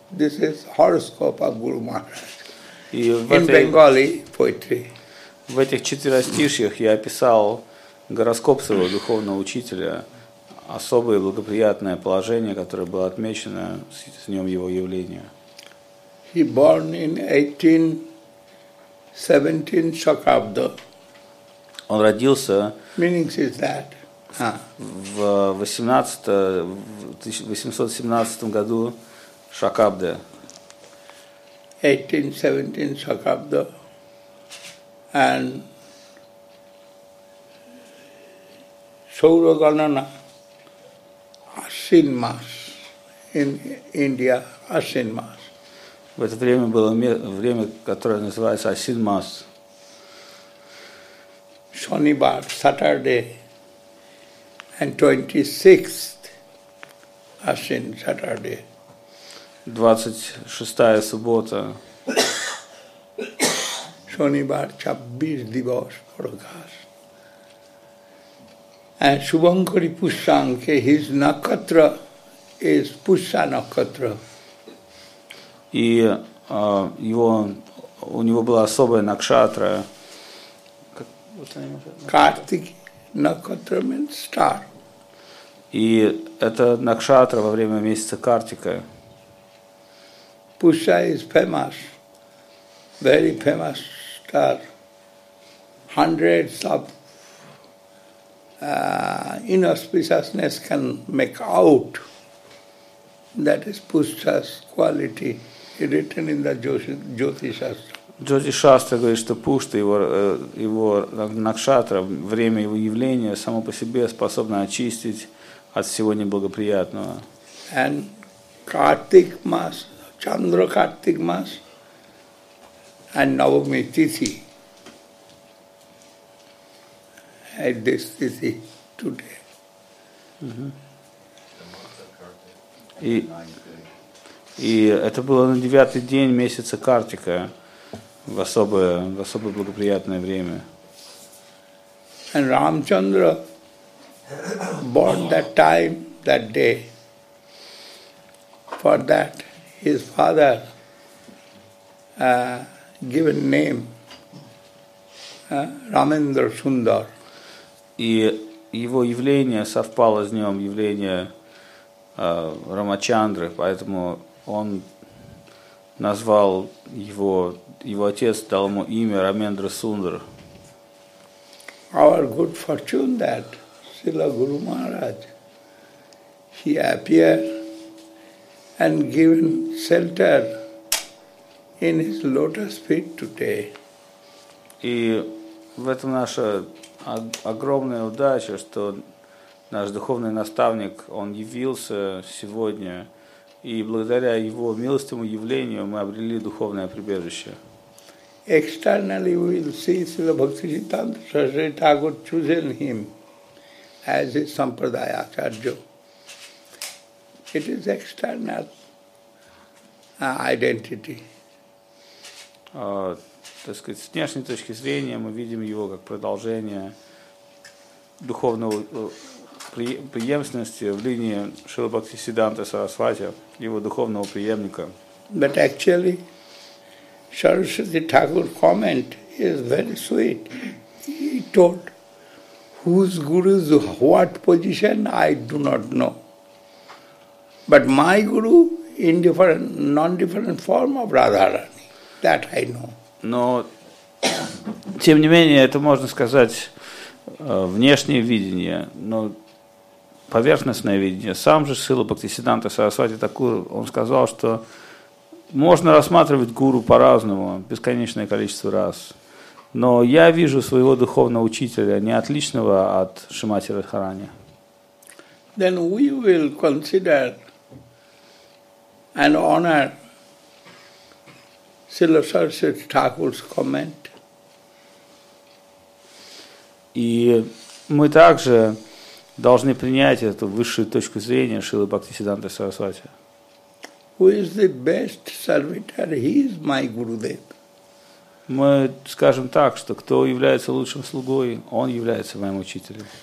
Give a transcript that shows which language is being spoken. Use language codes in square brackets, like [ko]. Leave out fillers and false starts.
[en] This is horoscope of Guru Maharaj. In Bengali poetry. [ru] В этих четверостишьях я описал гороскоп своего духовного учителя, особое благоприятное положение, которое было отмечено с днем его явления. [en] He born in 1817 Shakabda. [ru] Он родился [en] Meaning is that. [ru] В 1817 году Шакабда. [en] 1817 Шакабда. And Sauraganana, Ashin Mas, in India, Ashin Mas. [ru] В это время было время, которое называется Ashin Mas. [en] Shonibar, Saturday, and 26th Ashin Saturday. [ru] 26-я суббота. [bn] Shonibar 26 divas prakash. [en] And Shubhankari Pushyanke, his nakatra is Pushya nakatra. [ru] И его, у него была особая накшатра. [en] Картики накшатра means star. [ru] И это накшатра во время месяца Картика. [en] Pushya is famous, very famous. Star, hundreds of inauspiciousness can make out. That is Pushya's quality written in the Jyotishastra. [ru] Jyotishastra говорит, что Пушта, его накшатра, время его явления само по себе способно очистить от всего неблагоприятного. [en] And Kartik Mas, Chandra Kartik Mas. And Navami Tithi, at this Tithi today. [ru] И это было на девятый день месяца Картика, в особое благоприятное время. [en] And Ramchandra born that time, that day. For that, his father given name Ramendra Sundar. [ru] И его явление совпало с днем явления Рамачандры, поэтому он назвал его отец дал ему имя Рамендра Сундар. [en] Our good fortune that Srila Guru Maharaj he appeared and given shelter in his lotus feet today. [ru] И в этом наша огромная удача, что наш духовный наставник, он явился сегодня, и благодаря его милостивому явлению мы обрели духовное прибежище. [en] Externally we will see Srila Bhaktisiddhanta Saraswati Thakur chosen him as his sampradaya acharya. It is external identity. [ru] Так сказать, с внешней точки зрения мы видим его как продолжение духовного преемственности в линии Шрила Бхактисиддханта Сарасвати, его духовного преемника. [en] But actually, Saraswati Thakur comment is very sweet. He told, whose guru is what position, I do not know. But my guru in different, non-different form of Radharani. That I know. [ru] Но, тем не менее, это можно сказать внешнее видение, но поверхностное видение. Сам же Шрила Бхактисиддханта Сарасвати Такур, он сказал, что можно рассматривать гуру по-разному, бесконечное количество раз. Но я вижу своего духовного учителя, не отличного от Шримати Радхарани. [en] Then we will consider and honor Srila Saraswati Thakur's comment. [ru] И мы также должны принять эту высшую точку зрения Шрилы Бхактисиддханты Сарасвати. [en] Who is the best servitor? He is my Gurudev. [ru] Мы скажем так, что кто является лучшим слугой, он является моим учителем.